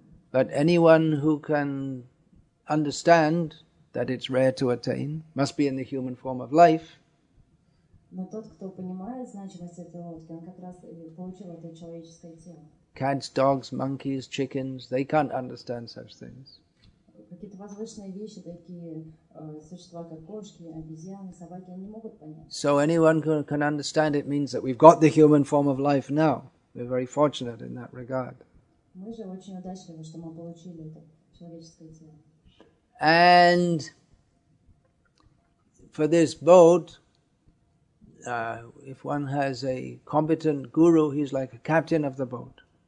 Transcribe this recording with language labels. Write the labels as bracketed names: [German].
[English] But anyone who can understand that it's rare to attain must be in the human form of life. [Russian] Но тот, кто понимает значимость этой лодки, он как раз и получил это человеческое тело. [English] Cats, dogs, monkeys, chickens, they can't understand such things. [Russian] Какие-то возвышенные вещи, такие существа, как кошки, обезьяны, собаки, они не могут понять. [English] So anyone who can understand it means that we've got the human form of life now. We're very fortunate in that regard. [Russian] Мы же очень удачливы, что мы получили это человеческое тело. [English] And for this boat, if one has a competent guru, he's like a captain of the boat.